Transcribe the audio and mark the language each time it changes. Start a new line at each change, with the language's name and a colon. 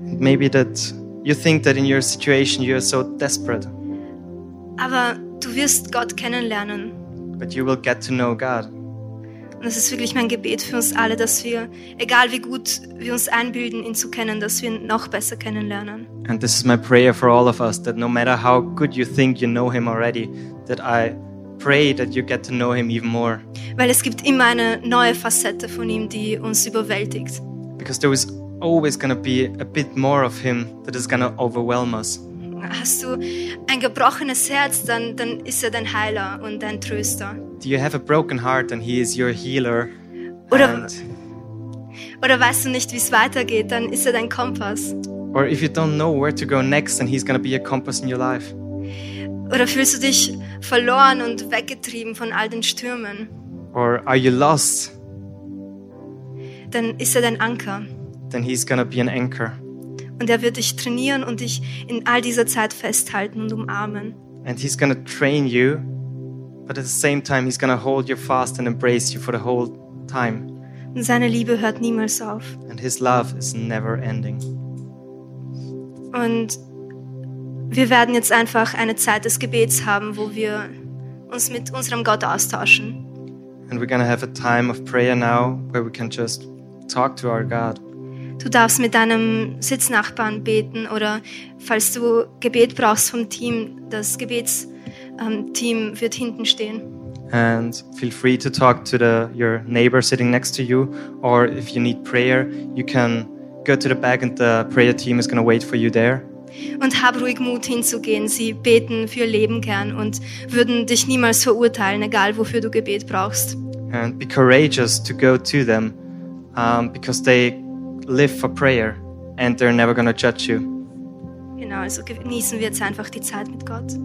English: Maybe that you think that in your situation you are so desperate.
German: Aber du wirst Gott kennenlernen.
English: But you will get to know God.
German: Und das ist wirklich mein Gebet für uns alle, dass wir, egal wie gut wir uns einbilden, ihn zu kennen, dass wir ihn noch besser kennenlernen.
English: And this is my prayer for all of us, that no matter how good you think you know him already, that I pray that you get to know him even more.
German: Weil es gibt immer eine neue Facette von ihm, die uns überwältigt.
English: Because there is always going to be a bit more of him that is going to overwhelm us.
German: Hast du ein gebrochenes Herz, dann ist er dein Heiler und dein Tröster.
English: Do you have a broken heart, then he is your healer.
German: Oder weißt du nicht, wie es weitergeht, dann ist er dein Kompass.
English: Or if you don't know where to go next, then he's going to be a compass in your life.
German: Oder fühlst du dich verloren und weggetrieben von all den Stürmen?
English: Or are you lost?
German: Dann ist er dein Anker.
English: Then he's going to be an anchor.
German: Und er wird dich trainieren und dich in all dieser Zeit festhalten und umarmen.
English: And he's going to train you, but at the same time he's going to hold you fast and embrace you for the whole time.
German: Und seine Liebe hört niemals auf.
English: And his love is never ending.
German: Und wir werden jetzt einfach eine Zeit des Gebets haben, wo wir uns mit unserem Gott austauschen.
English: And we're going to have a time of prayer now where we can just talk to our God.
German: Du darfst mit deinem Sitznachbarn beten oder falls du Gebet brauchst vom Team, das Gebetsteam wird hinten stehen.
English: And feel free to talk to your neighbor sitting next to you, or if you need prayer, you can go to the back and the prayer team is going to wait for you there.
German: Und hab ruhig Mut hinzugehen. Sie beten für ihr Leben gern und würden dich niemals verurteilen, egal wofür du Gebet brauchst.
English: And be courageous to go to them, because they live for prayer and they're never going to judge you.
German: Genau, also genießen wir jetzt einfach die Zeit mit Gott.